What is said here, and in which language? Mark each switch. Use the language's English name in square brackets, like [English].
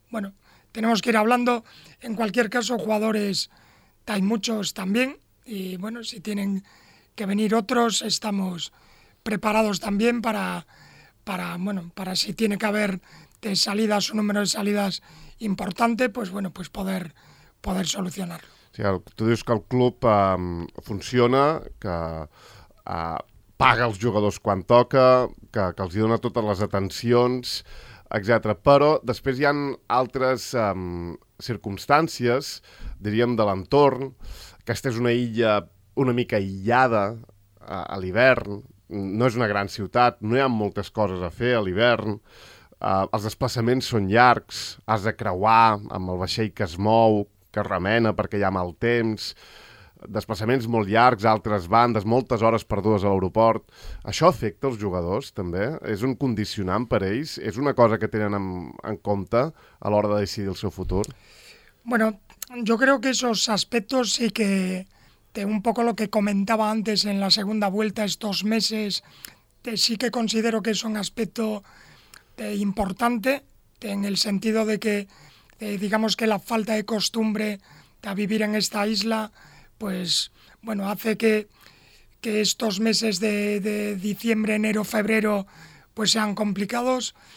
[Spanish] Bueno, tenemos que ir hablando. En cualquier caso, jugadores hay muchos también, y bueno, si tienen que venir otros, estamos preparados también para si tiene que haber de salidas, un número de salidas importante, pues bueno, pues poder solucionarlo. [Catalan] Sí, tu dius que el club funciona, que paga els jugadors quan toca, que els dona totes les atencions, etc. Però després hi ha altres circumstàncies, diríem, de l'entorn. Aquesta és una illa una mica aïllada a l'hivern. No és una gran ciutat, no hi ha moltes coses a fer a l'hivern. Els desplaçaments són llargs, has de creuar amb el vaixell que es mou, que es remena perquè hi ha mal temps, desplaçaments molt llargs, altres bandes, moltes hores perdudes a l'aeroport. Això afecta els jugadors, també? És un condicionant per ells? És una cosa que tenen en compte a l'hora de decidir el seu futur? [Spanish] Bueno, yo creo que esos aspectos sí que, un poco lo que comentaba antes en la segunda vuelta, estos meses, sí que considero que es un aspecto importante, en el sentido de que, digamos que la falta de costumbre de vivir en esta isla, pues bueno, hace que estos meses de diciembre, enero, febrero, pues sean complicados.